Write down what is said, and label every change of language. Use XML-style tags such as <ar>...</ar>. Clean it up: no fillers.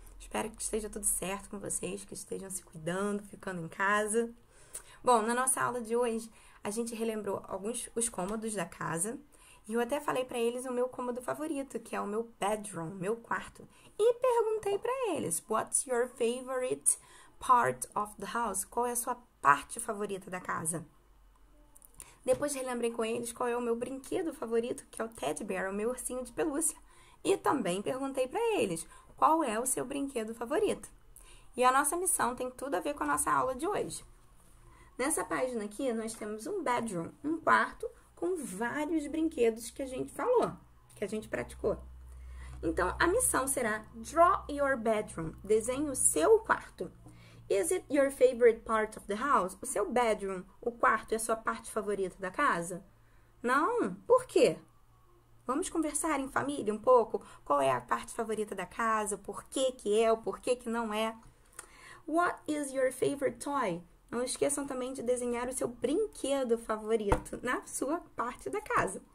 <pt>Espero que esteja tudo certo com vocês, que estejam se cuidando, ficando em casa. Bom, na nossa aula de hoje, a gente relembrou alguns os cômodos da casa. E eu até falei para eles o meu cômodo favorito, que é o meu bedroom, meu quarto. E perguntei para eles,</pt> <en>what's your favorite part of the house?</en> <pt>Qual é a sua parte favorita da casa? Depois relembrei com eles qual é o meu brinquedo favorito, que é o teddy bear, o meu ursinho de pelúcia. E também perguntei para eles, qual é o seu brinquedo favorito? E a nossa missão tem tudo a ver com a nossa aula de hoje. Nessa página aqui, nós temos um bedroom, um quarto, com vários brinquedos que a gente falou, que a gente praticou. Então, a missão será</pt> <en>draw your bedroom,</en> <pt>desenhe o seu quarto.</pt> <en>Is it your favorite part of the house?</en> <pt>O seu bedroom, o quarto, é a sua parte favorita da casa? Não? Por quê? Vamos conversar em família um pouco? Qual é a parte favorita da casa? Por que que é? Por que que não é?</pt> <en>What is your favorite toy?</en> <pt>Não esqueçam também de desenhar o seu brinquedo favorito na sua parte da casa.</pt>